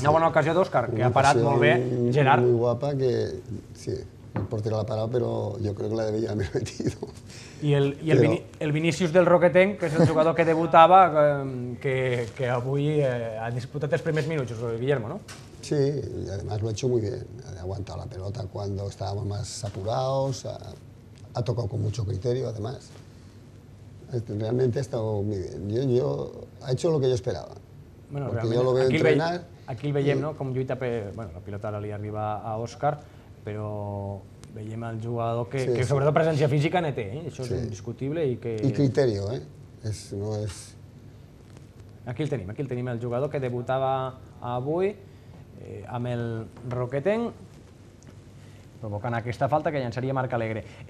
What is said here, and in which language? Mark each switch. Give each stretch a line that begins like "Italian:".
Catalan: Una bona ocasió d'Òscar, que ha parat molt bé Gerard. Molt guapa, que sí, el porter l'ha parat, però jo crec que la devia haver metit. I el Vinícius del Roquetenc, que és el jugador que debutava, que avui ha disputat els primers minuts, Guillermo, no?
Spanish: Sí, y además lo ha hecho muy bien. Ha aguantado la pelota cuando estábamos más apurados, ha tocado con mucho criterio, además. Realmente ha estado muy bien. Yo ha hecho lo que yo esperaba. Bueno, realmente, yo lo veo aquí
Catalan: el veiem,
Spanish: ¿no?
Catalan: Com lluita per... Bueno, la pilota ara li arriba a Òscar, però veiem el jugador que, sí, que sobretot presència física ne té, Això és indiscutible i que... I criterio, eh? És, no és... Aquí el tenim, el jugador que debutava avui amb el Roquetenc, provocant aquesta falta que llançaria Marc Alegre.